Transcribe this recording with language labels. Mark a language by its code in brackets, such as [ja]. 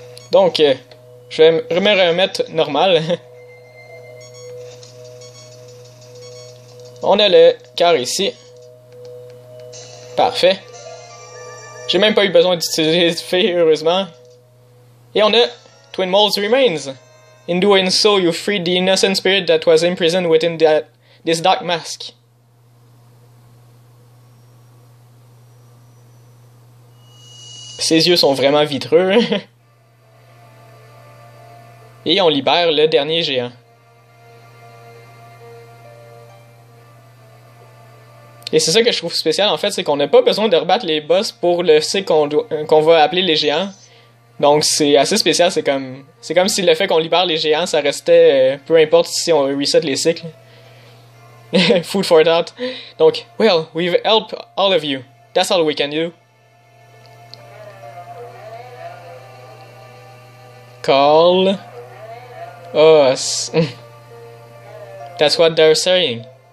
[fr] Donc, je vais me remettre normal. On a le cœur ici. Parfait. J'ai même pas eu besoin d'utiliser les fées, heureusement. Et on a [en] Twin Mold's Remains. In doing so, you freed the innocent spirit that was imprisoned within this dark mask. [fr] Ses yeux sont vraiment vitreux. Et on libère le dernier géant. Et c'est ça que je trouve spécial, en fait, c'est qu'on n'a pas besoin de rebattre les boss pour le cycle qu'on va appeler les géants. Donc c'est assez spécial, c'est comme si le fait qu'on libère les géants, ça restait peu importe si on reset les cycles. [en] Food for thought. Donc, well, we've helped all of you. That's all we can do. Call us. That's what they're saying.